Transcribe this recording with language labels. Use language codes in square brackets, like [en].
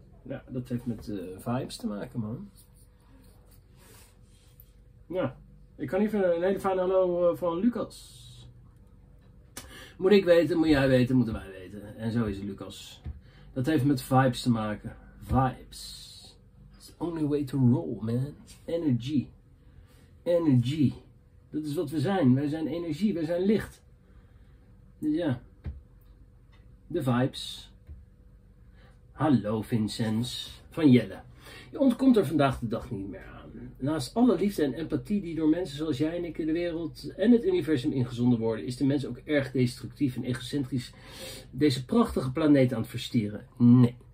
[nl] Ja, dat heeft met vibes te maken, man. Ja, ik kan even een hele fijne hallo van Lucas. Moet ik weten, moet jij weten, moeten wij weten. En zo is het, Lucas. Dat heeft met vibes te maken. Vibes. [en] It's the only way to roll, man. Energy. Energy. [nl] Dat is wat we zijn. Wij zijn energie, wij zijn licht. Dus ja. De vibes. Hallo Vincent van Jelle. Je ontkomt er vandaag de dag niet meer aan. Naast alle liefde en empathie die door mensen zoals jij en ik in de wereld en het universum ingezonden worden, is de mens ook erg destructief en egocentrisch deze prachtige planeet aan het verstieren. Nee.